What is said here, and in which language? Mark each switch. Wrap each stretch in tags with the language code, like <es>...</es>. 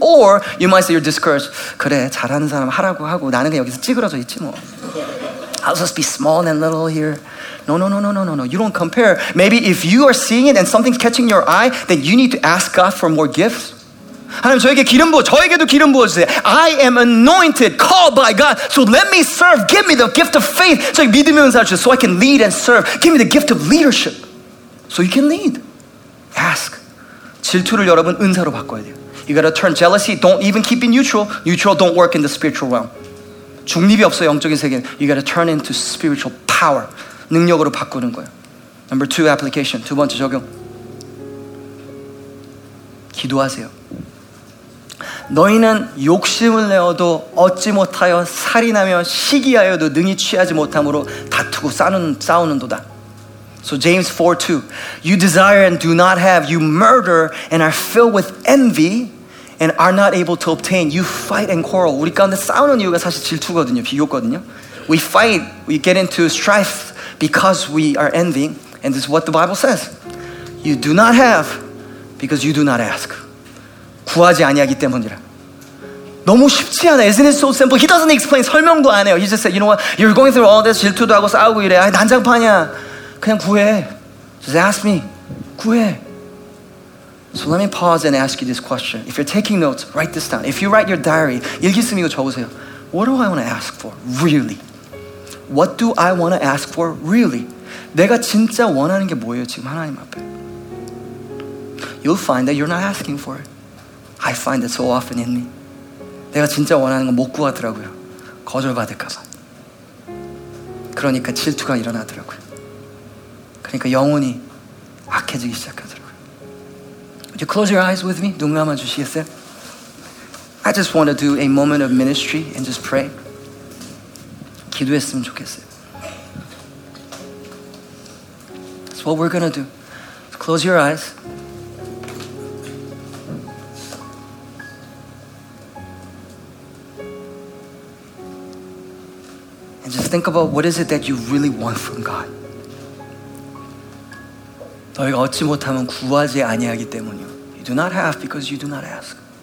<en>Or you might say you're discouraged.</en> <ko>그래, 잘하는 사람 하라고 하고 나는 그냥 여기서 찌그러져 있지 뭐.</ko> <en>I'll just be small and little here. No, no, no, no, no, no, no. You don't compare. Maybe if you are seeing it and something's catching your eye, then you need to ask God for more gifts.</en> <ko>하나님 저에게 기름 부어, 저에게도 기름 부어주세요.</ko> <en>I am anointed, called by God. So let me serve. Give me the gift of faith.</en> <ko>저에게 믿음의 은사를 주세요.</ko> <en>So I can lead and serve. Give me the gift of leadership. So you can lead. Ask.</en> <ko>질투를 여러분 은사로 바꿔야 돼요.</ko> <en>You gotta turn jealousy. Don't even keep it neutral. Neutral don't work in the spiritual realm.</en> <ko>중립이 없어요, 영적인 세계는.</ko> <en>You gotta turn into spiritual power.</en> <ko>능력으로 바꾸는 거예요.</ko> <en>Number two, application.</en> <ko>두 번째 적용. 기도하세요. 너희는 욕심을 내어도 얻지 못하여 살인하며 시기하여도 능히 취하지 못함으로 다투고 싸우는도다.</ko> <en>So James 4:2. You desire and do not have. You murder and are filled with envy. And are not able to obtain. You fight and quarrel.</en> <ko>우리 가운데 싸우는 이유가 사실 질투거든요. 비교거든요.</ko> <en>We fight. We get into strife because we are envying. And this is what the Bible says. You do not have because you do not ask.</en> <ko>구하지 아니하기 때문이라. 너무 쉽지 않아.</ko> <en>Isn't it so simple? He doesn't explain.</en> <ko>설명도 안 해요.</ko> <en>He just said, you know what? You're going through all this.</en> <ko>질투도 하고 싸우고 이래. 아, 난장판이야. 그냥 구해.</ko> <en>Just ask me.</en> <ko>구해.</ko> <en>So let me pause and ask you this question. If you're taking notes, write this down. If you write your diary,</en> <ko>일기 쓰면 이거 적으세요.</ko> <en>What do I want to ask for, really? What do I want to ask for, really?</en> <ko>내가 진짜 원하는 게 뭐예요, 지금 하나님 앞에?</ko> <en>You'll find that you're not asking for it. I find it so often in me.</en> <ko>내가 진짜 원하는 거 못 구하더라고요. 거절받을까 봐. 그러니까 질투가 일어나더라고요. 그러니까 영혼이 악해지기 시작하더라고요.</ko> <en>Would you close your eyes with me?</en> <ko>눈 감아주시겠어요?</ko> <en>I just want to do a moment of ministry and just pray.</en> <ko>기도했으면 좋겠어요.</ko> <en>That's what we're going to do. So close your eyes. And just think about what is it that you really want from God.</en> <ko>너희가 얻지 못하면 구하지 아니하기 때문이요.</ko> <en>You do not have because you do not ask.</en>